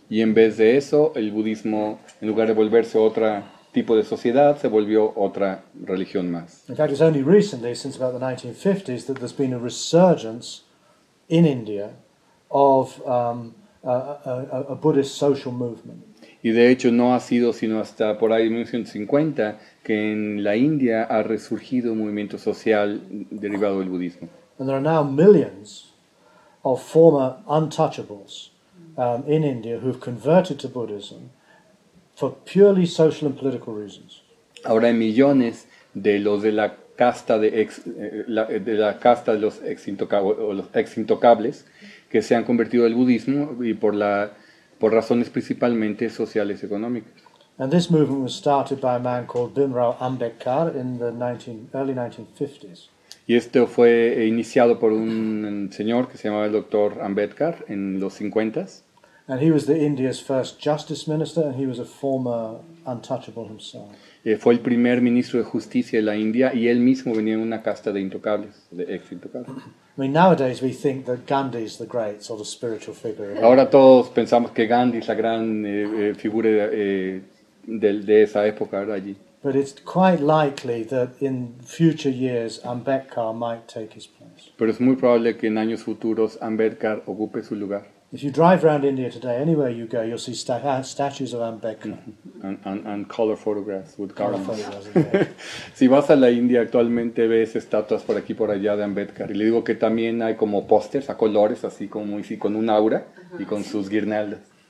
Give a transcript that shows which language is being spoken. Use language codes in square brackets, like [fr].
[es] Y en vez de eso, el budismo, en lugar de volverse otra tipo de sociedad, se volvió otra religión más. [en] In fact, it's only recently, since about the 1950s, that there's been a resurgence in India of a Buddhist social movement. [es] Y de hecho no ha sido sino hasta por ahí 1950 que en la India ha resurgido un movimiento social derivado del budismo. [en] And there are now millions of former untouchables in India who've converted to Buddhism for purely social and political reasons. [es] Ahora hay millones de los de la casta de ex de la casta de los ex intocables, o los ex intocables que se han convertido al budismo y por razones principalmente sociales y económicas. [en] And this movement was started by a man called Bhimrao Ambedkar in the early 1950s. [es] Y esto fue iniciado por un señor que se llamaba el Dr. Ambedkar en los 50s. [en] And he was the India's first justice minister, and he was a former untouchable himself. [es] Fue el primer ministro de justicia de la India, y él mismo venía de una casta de intocables, de ex-intocables. [en] I mean, nowadays we think that Gandhi is the great sort of spiritual figure. [es] Ahora todos pensamos que Gandhi es la gran figura de esa época, ¿verdad? Allí. [en] But it's quite likely that in future years Ambedkar might take his place. [es] Pero es muy probable que en años futuros Ambedkar ocupe su lugar. [en] If you drive around India today, anywhere you go, you'll see statues of Ambedkar. And color photographs with garlands. [es] Si vas a la India actualmente, ves estatuas por aquí por allá de Ambedkar. Y le digo que también hay como pósters a colores, así como y con un aura y con sus guirnaldas.